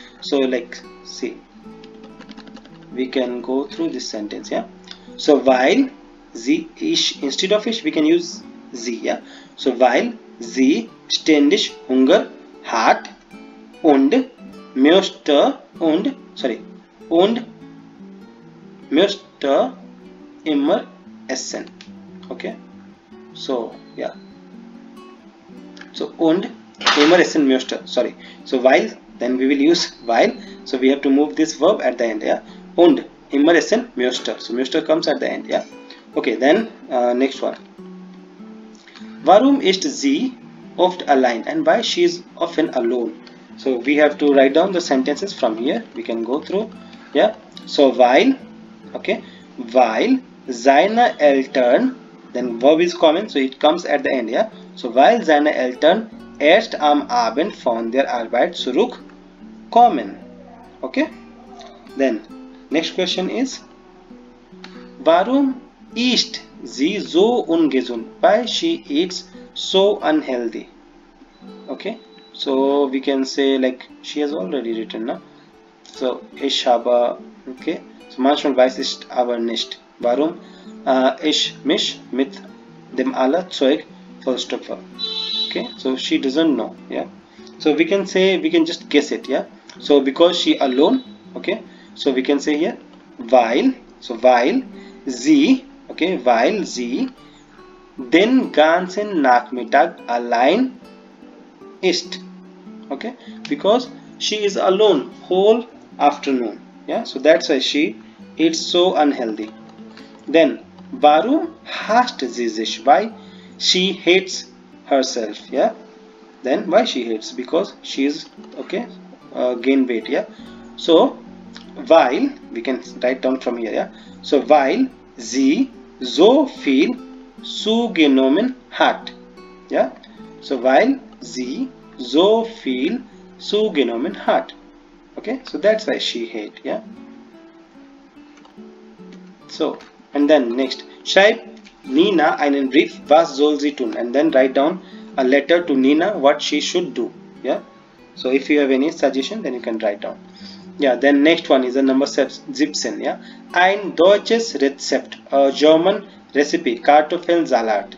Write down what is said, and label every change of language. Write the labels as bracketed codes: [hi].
[en] So like see, we can go through this sentence. Yeah, so while [de] sie ist, [en] instead of ish we can use sie. Yeah, so while [de] sie ständig Hunger hat und möchte und möchte immer essen. [en] Okay, so yeah, so [de] und immer essen möchte, [en] sorry, so while, then we will use while, so we have to move this verb at the end. Yeah, [de] und immer essen möchte, [en] so möchte comes at the end. Yeah, okay, then next one. [de] Warum ist sie oft allein, [en] and why she is often alone? So we have to write down the sentences from here. We can go through. Yeah, so while, okay, while [de] seine Eltern, [en] then verb is common, so it comes at the end. Yeah, so while [de] seine Eltern erst am Abend von der Arbeit zurückkommen. [en] Okay, then next question is, [de] warum isst sie so ungesund, [en] why she eats so unhealthy. Okay, so we can say like she has already written now, so [de] ich habe, okay, so manchmal weiß ich aber nicht warum ich mich mit dem alle Zeug vollstopfe. [en] Okay, so she doesn't know. Yeah, so we can say, we can just guess it. Yeah, so because she alone. Okay, so we can say here while [de] sie den ganzen Nachmittag allein ist. [en] Okay, because she is alone whole afternoon. Yeah, so that's why she eats so unhealthy. Then [de] warum hasst sie sich, [en] why she hates herself. Yeah, then why she hates, because she is, okay, gain weight. Yeah, so while, we can write down from here. Yeah, so while [de] sie so viel zugenommen hat. [en] Yeah, so while [de] sie so viel zugenommen hat. [en] Okay, so that's why she hate. Yeah, so and then next, [de] schreibt Nina einen Brief, was soll sie tun, [en] and then write down a letter to Nina, what she should do. Yeah, so if you have any suggestion, then you can write down. Yeah, then next one is the number 17. Yeah, [de] ein deutsches Rezept, [en] a German recipe, Kartoffelsalat.